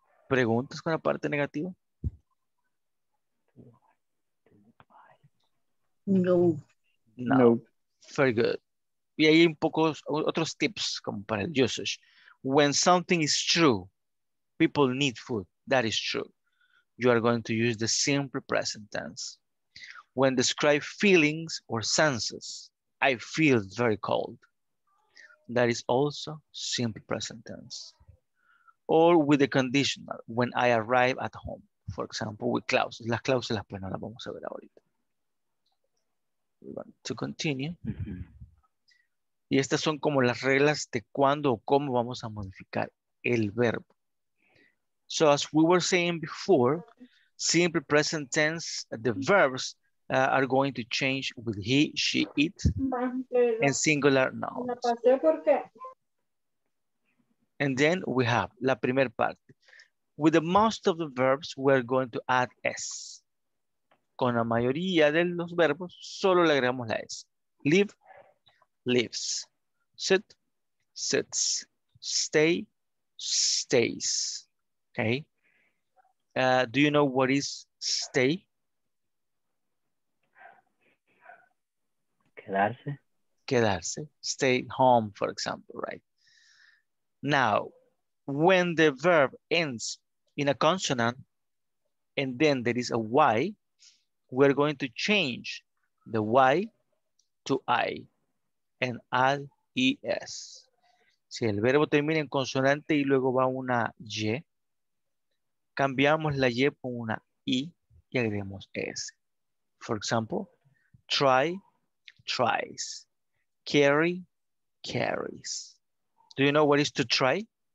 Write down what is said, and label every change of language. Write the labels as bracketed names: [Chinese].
[Spanish] ¿Preguntas con la parte negativa? No. [English] No. No. Very good. [Spanish] Y hay un poco otros tips como para el usage. [English] When something is true, people need food. That is true. You are going to use the simple present tense. When describe feelings or senses, I feel very cold. That is also simple present tense. Or with the conditional, when I arrive at home. For example, with clauses. [Spanish] Las cláusulas, pues no las vamos a ver ahorita. [English] We want to continue. [Spanish] Mm-hmm. Y estas son como las reglas de cuándo o cómo vamos a modificar el verbo. [English] So as we were saying before, simple present tense, the verbs are going to change with he, she, it, and singular nouns. And then we have [Spanish] la primera parte. [English] With the most of the verbs, we're going to add S. [Spanish] Con la mayoría de los verbos, solo le agregamos la S. [English] Live, lives. Sit, sits. Stay, stays. Okay. Do you know what is stay? [Spanish] Quedarse. [English] Quedarse. Stay home, for example, right? Now, when the verb ends in a consonant and then there is a Y, we're going to change the Y to I and add ES. [Spanish] Si el verbo termina en consonante y luego va una Y, cambiamos la Y por una I y agregamos S. [English] For example, try, tries. Carry, carries. Do you know what is to try?